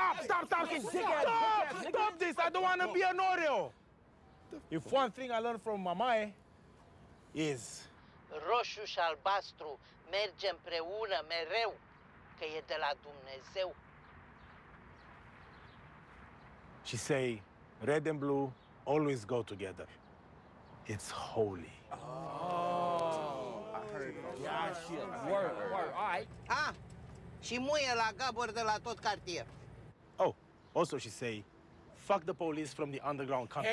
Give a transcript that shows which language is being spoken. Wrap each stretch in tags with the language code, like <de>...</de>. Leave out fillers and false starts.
<en>Stop this, I don't want to be an Oreo. If one thing I learned from Mamae is...</en> <ro>Roșu și albastru merge împreună mereu, că e de la Dumnezeu.</ro> <en>She say, red and blue always go together. It's holy. Oh! I heard you. Yeah, shit. Word. All right.</en> <ro>Ah, și muie la gabor de la tot cartier.</ro> <en>Oh, also she say, fuck the police from the underground country.</en>